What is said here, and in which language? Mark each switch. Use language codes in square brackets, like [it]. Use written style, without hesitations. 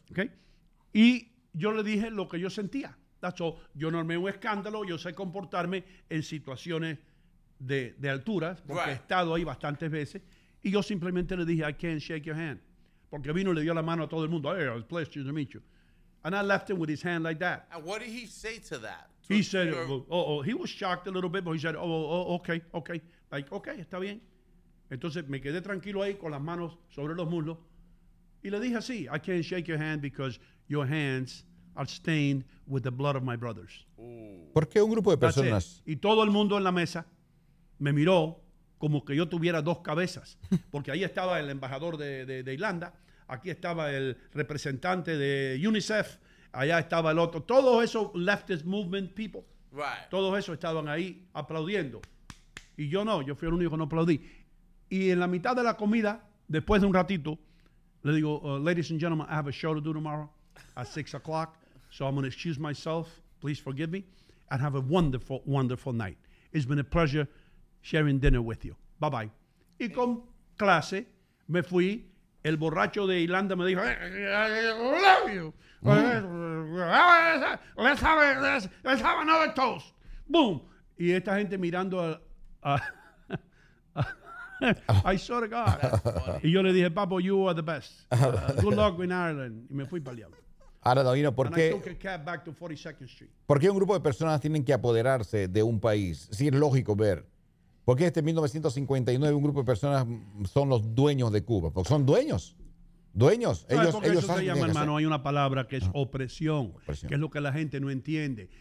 [en] Okay. [es] Y yo le dije lo que yo sentía. [en] That's all. [es] Yo no armé un escándalo, yo sé comportarme en situaciones de alturas, porque right. He estado ahí bastantes veces. Y yo simplemente le dije, [en] I can't shake your hand. [es] Porque vino y le dio la mano a todo el mundo. [en] Hey, it's a pleasure to meet you. And I left him with his hand like that. And what did he say to that? He was shocked a little bit, but he said, okay. Like, okay, [es] está bien. Entonces me quedé tranquilo ahí con las manos sobre los muslos. Y le dije así, [en] I can't shake your hand because your hands are stained with the blood of my brothers. [es] ¿Por qué un grupo de personas? Y todo el mundo en la mesa me miró como que yo tuviera dos cabezas. Porque ahí estaba el embajador de Irlanda. Aquí estaba el representante de UNICEF. Allá estaba el otro. Todos esos [en] leftist movement people. Right. [es] Todos esos estaban ahí aplaudiendo. Y yo no. Yo fui el único que no aplaudí. Y en la mitad de la comida, después de un ratito, le digo, [en] ladies and gentlemen, I have a show to do tomorrow at 6 o'clock. So I'm going to excuse myself. Please forgive me. And have a wonderful, wonderful night. It's been a pleasure sharing dinner with you. Bye-bye. [es] Y con clase me fui. El borracho de Irlanda me dijo, [en] I love you. Let's have another toast. Boom. [es] Y esta gente mirando [en] I swear to God. [es] Y yo le dije, Papo, [en] you are the best. Good luck in Ireland. [es] Y me fui para el diablo. Ahora, Dino, ¿por qué? [en] And I took a cab back to 42nd Street. [es] ¿Por qué un grupo de personas tienen que apoderarse de un país? Sí, es lógico ver. ¿Por qué 1959 un grupo de personas son los dueños de Cuba? Porque son dueños. Dueños. Ellos, porque ellos eso se llama, hermano, hay una palabra que es opresión. Opresión. Que es lo que la gente no entiende.